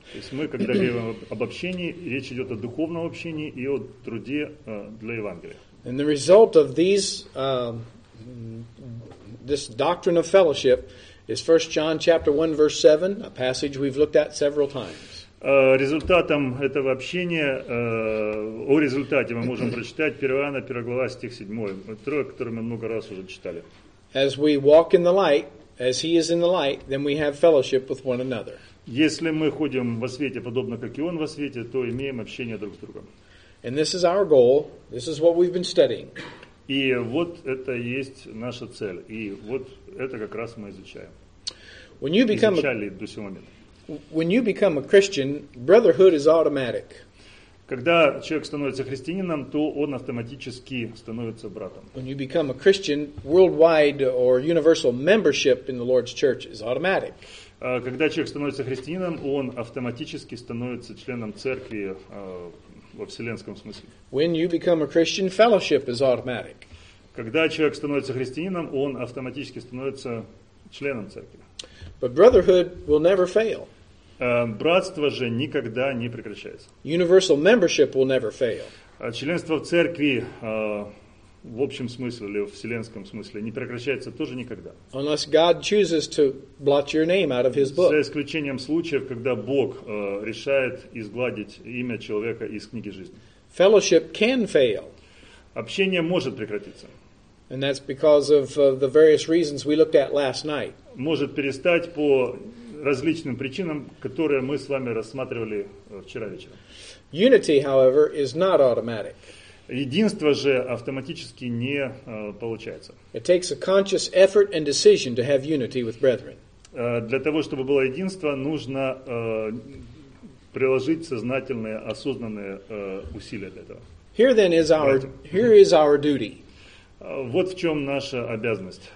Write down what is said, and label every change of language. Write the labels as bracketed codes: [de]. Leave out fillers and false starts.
[ru] То есть мы, когда говорим об общении, речь идет о духовном общении и о труде для Евангелия. [en] And the result of these, this doctrine of fellowship is 1 John chapter 1, verse 7, a passage we've looked at several times. [ru] Результатом этого общения, о результате мы можем прочитать 1 Иоанна, 1 глава, стих 7. Трое, которые мы много раз уже читали. [en] As we walk in the light, as he is in the light, then we have fellowship with one another. [ru] Если мы ходим во свете, подобно как и он во свете, то имеем общение друг с другом. [en] And this is our goal, this is what we've been studying. [ru] И вот это и есть наша цель, и вот это как раз мы изучаем. [en] When you become [ru] изучали до сего момента. [en] When you become a Christian, brotherhood is automatic. [ru] Когда человек становится христианином, то он автоматически становится братом. [en] When you become a Christian, worldwide or universal membership in the Lord's Church is automatic. [ru] Когда человек становится христианином, он автоматически становится членом церкви во вселенском смысле. [en] When you become a Christian, fellowship is automatic. [ru] Когда человек становится христианином, он автоматически становится членом церкви. [en] But brotherhood will never fail. [ru] Братство же никогда не прекращается. [en] Universal membership will never fail. [ru] Членство в церкви в общем смысле или в вселенском смысле не прекращается тоже никогда. [en] Unless God chooses to blot your name out of His book. [ru] За исключением случаев, когда Бог решает изгладить имя человека из книги жизни. [en] Fellowship can fail. [ru] Общение может прекратиться. [en] And that's because of the various reasons we looked at last night. [ru] Может перестать по различным причинам, которые мы с вами рассматривали вчера вечером. [en] Unity, however, is not automatic. [ru] Единство же автоматически не получается. [en] It takes a conscious effort and decision to have unity with brethren. [ru] Для того, чтобы было единство, нужно приложить сознательные, осознанные усилия для этого. [en] Here then is our duty. [ru] Вот в чем наша обязанность.